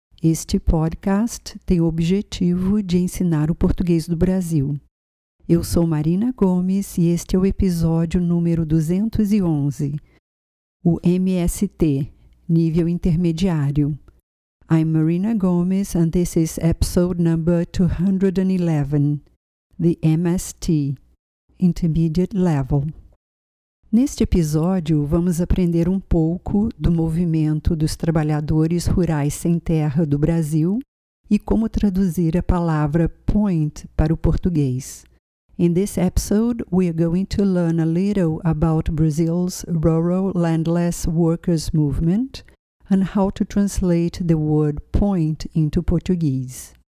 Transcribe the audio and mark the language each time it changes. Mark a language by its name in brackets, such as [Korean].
[Portuguese] Este podcast tem o objetivo de ensinar o português do Brasil. Eu sou Marina Gomes e este é o episódio número 211. O MST, nível intermediário. [English] I'm Marina Gomes and this is episode number 211. The MST, Intermediate Level. [Portuguese] Neste episódio, vamos aprender um pouco do movimento dos trabalhadores rurais sem terra do Brasil e como traduzir a palavra point para o português. [English] In this episode, we are going to learn a little about Brazil's rural landless workers movement and how to translate the word point into Portuguese.